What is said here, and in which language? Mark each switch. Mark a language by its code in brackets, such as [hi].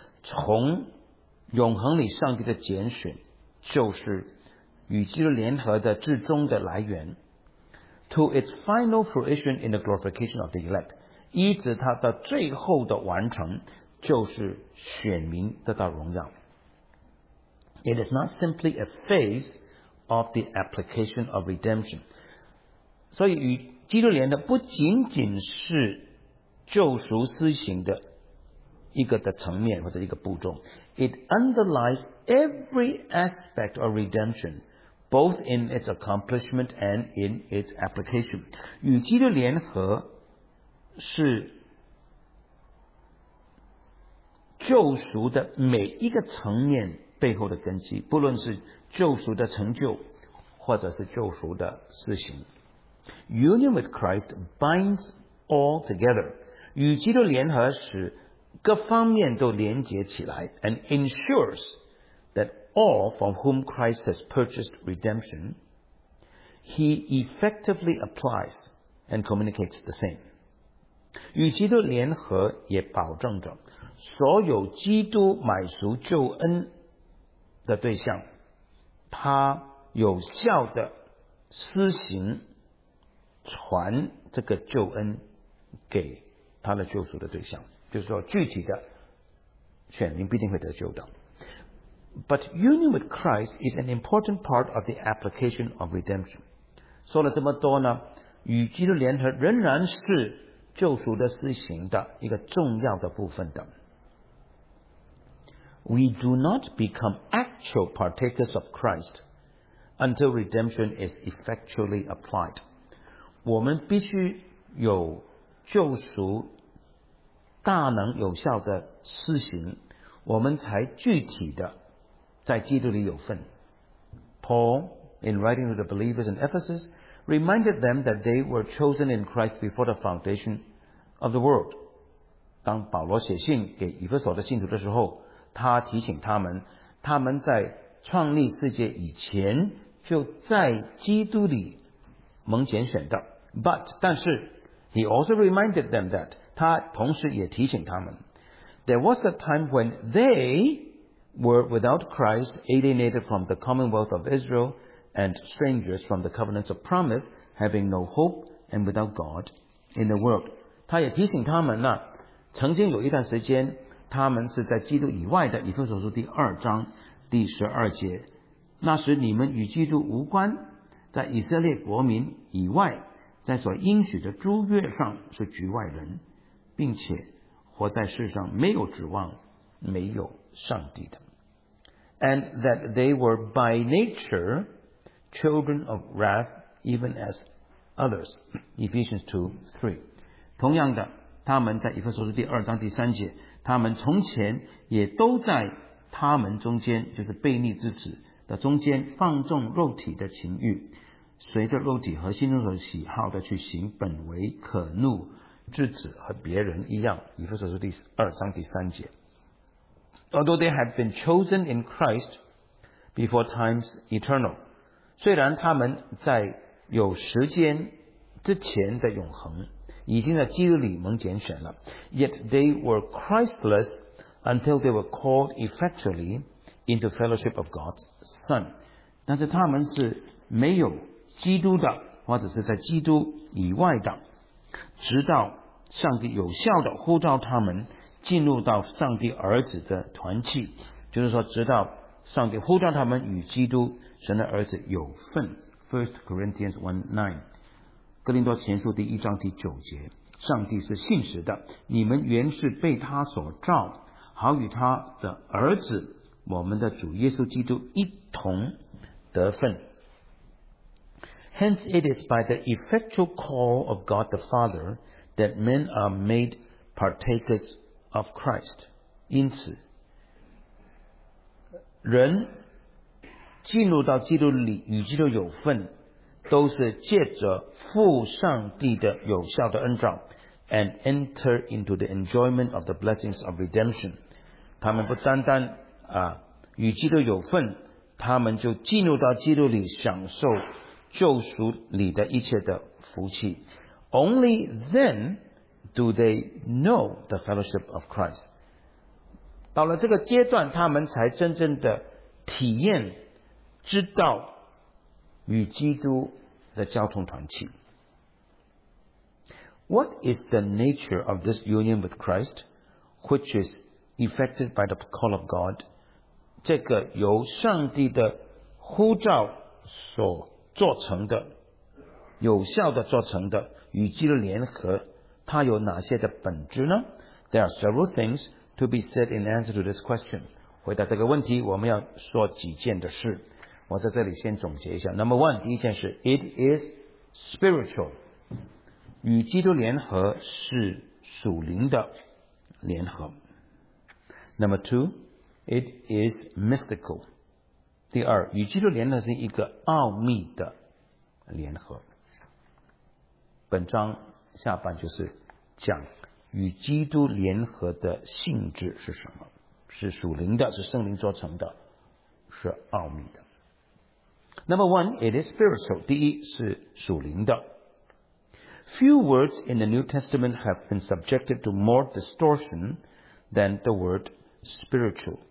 [zh] 从永恒里上帝的拣选，就是与基督联合的至终的来源。 [en] To its final fruition in the glorification of the elect. [zh] 一直它的最后的完成，就是选民得到荣耀。 [en] It is not simply a phase of the application of redemption. [zh] 所以与基督联合不仅仅是救赎施行的一个的层面或者一个步骤。 [en] It underlies every aspect of redemption. Both in its accomplishment and in its application. [zh] 与基督联合是救赎的每一个层面背后的根基，不论是救赎的成就或者是救赎的施行。 [en] Union with Christ binds all together. [zh] 与基督联合使各方面都连接起来， [en] and ensures that all from whom Christ has purchased redemption, he effectively applies and communicates the same. [zh] 与基督联合也保证着所有基督买赎救恩的对象，他有效的施行传这个救恩给他的救赎的对象，就是说具体的选民必定会得救的。 [en] But union with Christ is an important part of the application of redemption. [zh] 说了这么多呢，与基督联合仍然是救赎的施行的一个重要的部分的。 [en] We do not become actual partakers of Christ until redemption is effectually applied. [zh] 我们必须有救赎大能有效的施行，我们才具体的在基督里有份。 [en] Paul, in writing to the believers in Ephesus, reminded them that they were chosen in Christ before the foundation of the world. [zh] 当保罗写信给以弗所的信徒的时候，他提醒他们，他们在创立世界以前就在基督里蒙拣选的。 [en] But, [zh] 但是 [en] he also reminded them that, [zh] 他同时也提醒他们， [en] there was a time when they were without Christ, alienated from the commonwealth of Israel, and strangers from the covenants of promise, having no hope and without God in the world. [zh] 他也提醒他们呢，曾经有一段时间，他们是在基督以外的。以弗所书第二章第十二节，那时你们与基督无关，在以色列国民以外，在所应许的诸约上是局外人，并且活在世上没有指望，没有上帝的。 [en] And that they were by nature children of wrath, even as others. Ephesians 2:3. [zh] 同样的，他们在以弗所书第二章第三节，他们从前也都在他们中间，就是悖逆之子的中间，放纵肉体的情欲，随着肉体和心中所喜好的去行，本为可怒之子，和别人一样。以弗所书第二章第三节。 [en] Although they have been chosen in Christ before times eternal, [zh] 虽然他们在有时间之前的永恒已经在基督里蒙拣选了， [en] yet they were Christless until they were called effectually into fellowship of God's Son. [zh] 但是他们是没有基督的，或者是在基督以外的，直到上帝有效的呼召他们进入到上帝儿子的团契，就是说直到上帝呼召他们与基督神的儿子有份。 [en] 1 Corinthians 1:9 [zh] 哥林多前书第一章第九节，上帝是信实的，你们原是被他所召，好与他的儿子我们的主耶稣基督一同得份。 [en] Hence it is by the effectual call of God the Father that men are made partakers of Christ. [zh] 因此人进入到基督里与基督有份，都是借着父上帝的有效的恩召， [en] and enter into the enjoyment of the blessings of redemption. [zh] 他们不单单与基督有份，他们就进入到基督里享受救赎里的一切的福气。 [en] Only then do they know the fellowship of Christ. [zh] 到了这个阶段，他们才真正的体验知道与基督的交通团契。 [en] What is the nature of this union with Christ which is effected by the call of God? [zh] 这个由上帝的呼召所做成的，有效的做成的与基督联合，它有哪些的本质呢？ [en] There are several things to be said in answer to this question. [zh] 回答这个问题，我们要说几件的事。我在这里先总结一下。 [en] Number one, [zh] 第一件事， [en] It is spiritual. [zh] 与基督联合是属灵的联合。 [en] Number two, It is mystical. [zh] 第二，与基督联合是一个奥秘的联合。本章下半就是讲与基督联合的性质是什么，是属灵的，是圣灵做成的，是奥秘的。 [en] Number one, it is spiritual. [zh] 第一是属灵的。 [en] Few words in the New Testament have been subjected to more distortion than the word spiritual.